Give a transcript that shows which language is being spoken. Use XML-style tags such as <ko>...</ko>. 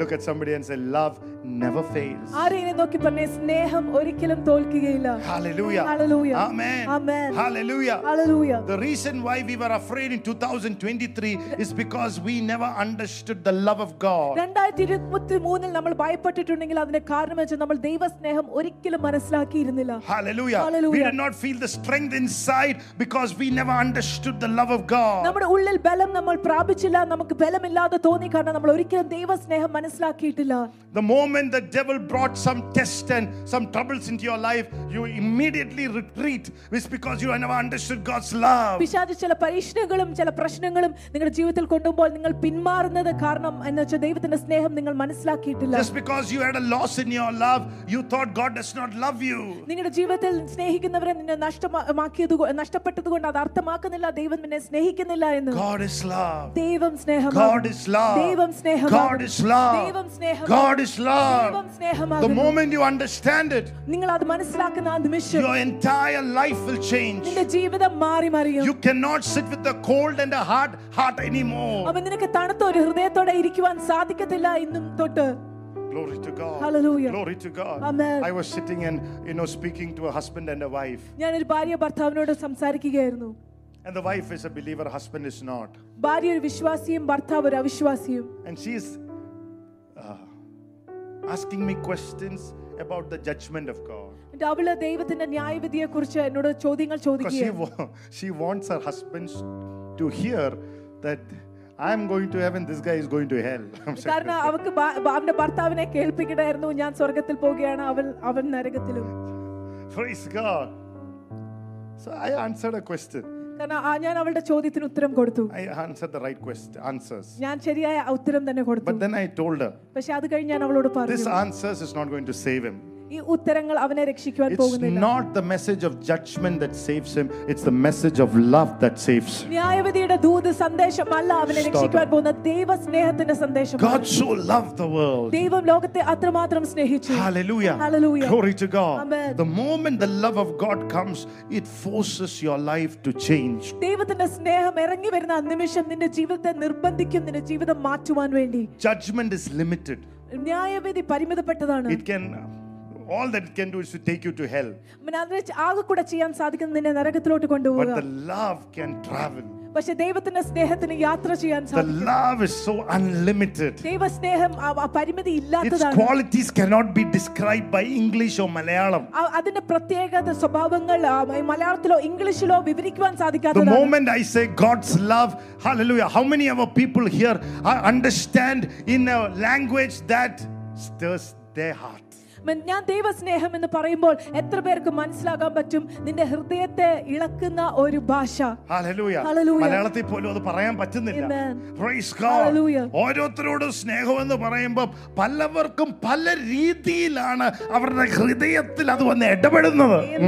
<en>Look at somebody and say love never fails.</en> <ml>ആരെയും നോക്കി പറഞ്ഞേ സ്നേഹം ഒരിക്കലും തോൽക്കുകയില്ല.</ml> <en>Hallelujah. Hallelujah. Amen. Amen. Hallelujah. Hallelujah. The reason why we were afraid in 2023 is because we never understood the love of God.</en> <ml>2023 ൽ നമ്മൾ ഭയപ്പെട്ടിട്ടുണ്ടെങ്കിൽ അതിന്റെ കാരണം എന്ന് നമ്മൾ ദൈവസ്നേഹം ഒരിക്കലും മനസ്സിലാക്കിയിരുന്നില്ല.</ml> <en>Hallelujah. Hallelujah. We did not feel the strength inside because we never understood the love of God.</en> <ml>നമ്മുടെ ഉള്ളിൽ ബലം നമ്മൾ പ്രാപിച്ചില്ല നമുക്ക് ബലമില്ലാതെ തോന്നി കാരണം നമ്മൾ ഒരിക്കലും ദൈവസ്നേഹം മനസ്സിലാക്കിയിട്ടില്ല.</ml> <en>The moment the devil brought some test and some troubles into your life, you immediately retreat. It's because you never understood God's love.</en> <ml>പിശാചു ചില പരീക്ഷണങ്ങളും ചില പ്രശ്നങ്ങളും നിങ്ങളുടെ ജീവിതത്തിൽ കൊണ്ടുവരുമ്പോൾ നിങ്ങൾ പിന്മാറുന്നത് കാരണം എന്ന് വെച്ചാൽ ദൈവത്തിന്റെ സ്നേഹം നിങ്ങൾ മനസ്സിലാക്കിയിട്ടില്ല.</ml> <en>Just because you had a loss in your love, you thought God does not love you.</en> <ml>നിങ്ങളുടെ ജീവിതത്തിൽ സ്നേഹിക്കുന്നവരെ നിന്നെ നഷ്ടപ്പെട്ടതുകൊണ്ട് അത് അർത്ഥമാക്കുന്നില്ല ദൈവം നിന്നെ സ്നേഹിക്കുന്നില്ല എന്ന്.</ml> <en>God is love.</en> <ml>ദൈവം സ്നേഹമാണ്.</ml> <en>God is love.</en> <ml>ദൈവം സ്നേഹമാണ്.</ml> <en>God is love.</en> <ml>ദൈവം സ്നേഹമാണ്.</ml> <en>God is love.</en> <ml>ദൈവം സ്നേഹമാണ്.</ml> <en>The moment you understand it,</en> <ml>നിങ്ങൾ അത് മനസ്സിലാക്കുന്ന ആ നിമിഷം,</ml> <en>your entire life will change.</en> <ml>നിന്റെ ജീവിതം മാറി മറിയും.</ml> <en>You cannot sit with the cold and a hard heart anymore.</en> <ml>അവൻ നിനക്ക് തണുത്ത ഒരു ഹൃദയത്തോടെ ഇരിക്കുവാൻ സാധിക്കത്തില്ല ഇന്നും തൊട്ട്.</ml> <en>Glory to God. Hallelujah. Glory to God. Amen. I was sitting and, you know, speaking to a husband and a wife.</en> <ml>ഞാൻ ഒരു ഭാര്യയോ ഭർത്താവിനോട് സംസാരിക്കുകയായിരുന്നു.</ml> <en>And the wife is a believer, husband is not.</en> <ml>ഭാര്യ ഒരു വിശ്വാസിയും ഭർത്താവ് ഒരു അവിശ്വാസിയും.</ml> <en>And she is asking me questions about the judgment of God.</en> <ml>അവള് ദൈവത്തിന്റെ ന്യായവിധിയെക്കുറിച്ച് എന്നോട് ചോദ്യങ്ങൾ ചോദിക്കുകയാണ്.</ml> <en>She wants her husband to hear that I am going to heaven, this guy is going to hell.</en> <ml>കാരണം അവക്ക് അവന്റെ ഭർത്താവിനെ കേൾപ്പിക്കണമായിരുന്നു ഞാൻ സ്വർഗ്ഗത്തിൽ പോവുകയാണ് അവൻ നരകത്തിലും.</ml> <en>Praise God. So I answered a question.</en> <ml>ഞാൻ അവളുടെ ചോദ്യത്തിന് ഉത്തരം കൊടുത്തു.</ml> <en>I answered the right question, answers.</en> <ml>ഞാൻ ശരിയായ ഉത്തരം തന്നെ കൊടുത്തു.</ml> <en>But then I told her.</en> <ml>പക്ഷേ അത് കഴിഞ്ഞ് ഞാൻ അവളോട് പറഞ്ഞു.</ml> <en>This answers is not going to save him.</en> <ml>ഈ ഉത്തരങ്ങൾ അവനെ രക്ഷിക്കാൻ പോകുന്നില്ല.</ml> <en>It's not the message of judgment that saves him, it's the message of love that saves him.</en> <ml>ന്യായവിധിയുടെ ദൂത് സന്ദേശമല്ല അവനെ രക്ഷിക്കാൻ പോകുന്ന ദൈവസ്നേഹത്തിന്റെ സന്ദേശം.</ml> <en>God so loved the world.</en> <ml>ദൈവം ലോകത്തെ അത്രമാത്രം സ്നേഹിച്ചു.</ml> <en>Hallelujah. Hallelujah. Glory to God. Amen. The moment the love of God comes, it forces your life to change.</en> <ml>ദൈവത്തിന്റെ സ്നേഹം ഇറങ്ങി വരുന്ന നിമിഷം നിന്റെ ജീവിതത്തെ നിർബന്ധിക്കും നിന്റെ ജീവിതം മാറ്റുവാൻ വേണ്ടി.</ml> <en>Judgment is limited.</en> <ml>ന്യായവിധി പരിമിതപ്പെട്ടതാണ്.</ml> <en>It can all that it can do is to take you to hell.</en> <ml>മനന്ദ്രച് Agha കൂട ചെയ്യാൻ സാധിക്കുന്ന നിന്നെ നരകത്തിലോട്ട് കൊണ്ടുപോവുക.</ml> <en>But the love can travel.</en> <ml>പക്ഷേ ദൈവത്തിന്റെ സ്നേഹത്തിന് യാത്ര ചെയ്യാൻ സാധിക്കും.</ml> <en>The love is so unlimited.</en> <ml>ദൈവസ്നേഹം പരിമിതി ഇല്ലാത്തതാണ്.</ml> <en>Its qualities cannot be described by English or Malayalam.</en> <ml>അതിന്റെ പ്രത്യേകത സ്വഭാവങ്ങൾ മലയാളത്തിലോ ഇംഗ്ലീഷിലോ വിവരിക്കാൻ സാധിക്കാത്തതാണ്.</ml> <en>The moment I say God's love, hallelujah, how many of our people here understand in a language that stirs their heart?</en> <ml>ഞാൻ ദൈവസ്നേഹം എന്ന് പറയുമ്പോൾ എത്ര പേർക്ക് മനസ്സിലാക്കാൻ പറ്റും നിന്റെ ഹൃദയത്തെ ഇളക്കുന്ന ഒരു ഭാഷ. മലയാളത്തിൽ പോലും അത് പറയാൻ പറ്റുന്നില്ല. ഓരോരുത്തരോടും സ്നേഹം എന്ന് പറയുമ്പോൾ പലവർക്കും പല രീതിയിലാണ് അവരുടെ ഹൃദയത്തിൽ അത് വന്ന് ഇടപെടുന്നത്.</ml>